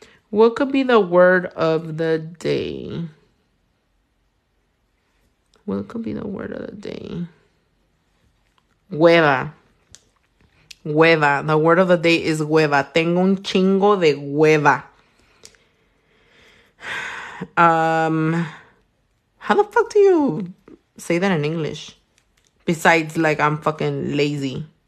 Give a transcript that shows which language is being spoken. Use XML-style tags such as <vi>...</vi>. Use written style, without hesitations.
<en>What could be the word of the day? What could be the word of the day? Hueva. Hueva. The word of the day is hueva.</en> <es>Tengo un chingo de hueva.</es> <en>How the fuck do you say that in English? Besides, like, I'm fucking lazy.</en>